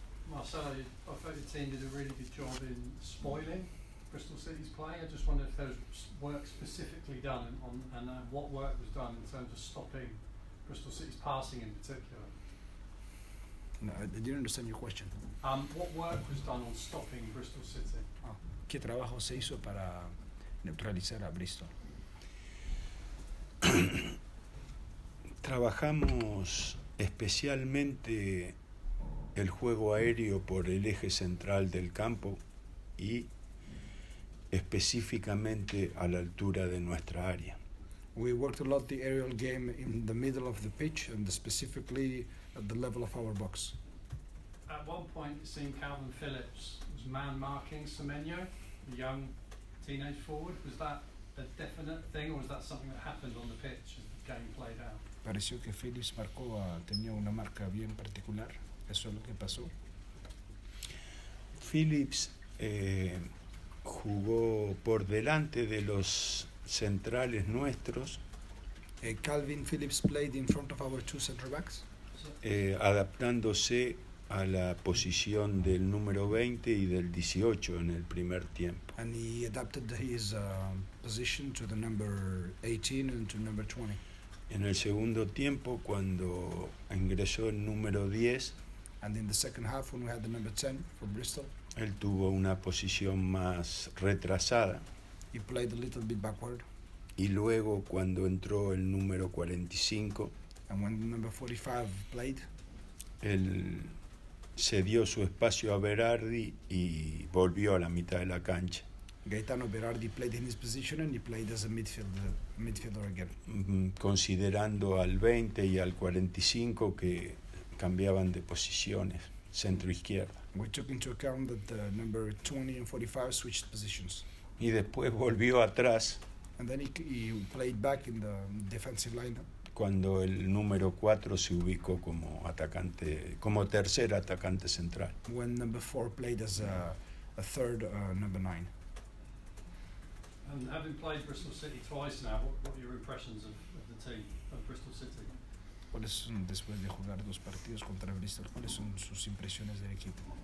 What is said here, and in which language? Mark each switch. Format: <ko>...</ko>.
<en>Marcelo, I thought the team did a really good job in spoiling Bristol City's play. I just wondered if there was work specifically done on, and what work was done in terms of stopping Bristol City's passing in particular. No, I didn't understand your question. What work was done on stopping Bristol City?</en> <es>¿Qué trabajo se hizo para neutralizar a Bristol? Trabajamos especialmente el juego aéreo por el eje central del campo y específicamente a la altura de nuestra área.</es> <en>We worked a lot the aerial game in the middle of the pitch and specifically at the level of our box. At one point it seemed Calvin Phillips was man marking Semenyo, the young teenage forward. Was that a definite thing or was that something that happened on the pitch as the game played out?</en> <es>Pareció que Félix marcó, tenía una marca bien particular. ¿Eso es lo que pasó? Félix jugó por delante de los centrales nuestros.</es> <en>Calvin Phillips played in front of our two center backs.</en> <es>Adaptándose a la posición del número 20 y del 18 en el primer tiempo.</es> <en>And he adapted his position to the number 18 and to number 20.</en> <es>En el segundo tiempo, cuando ingresó el número 10,</es> <en>and in the second half when we had the number 10 for Bristol,</en> <es>él tuvo una posición más retrasada.</es> <en>He played a little bit backward.</en> <es>Y luego cuando entró el número 45,</es> <en>and when the number 45 played,</en> <es>él cedió su espacio a Berardi y volvió a la mitad de la cancha.</es> <en>Gaetano Berardi played in his position and he played as a midfielder again.</en> <es>Considerando al 20 y al 45 que cambiaban de posiciones, centro izquierda.</es> <en>We took into account that the number 20 and 45 switched positions.</en> <es>Y después volvió atrás.</es> <en>And then he played back in the defensive lineup.</en> <es>Cuando el número 4 se ubicó como atacante, como tercer atacante central.</es> <en>When number 4 played as a third number 9. And having played Bristol City twice now, what are your impressions of the team of Bristol City?</en> <es>¿Cuáles son, después de jugar dos partidos contra Bristol, cuáles son sus impresiones del equipo?</es>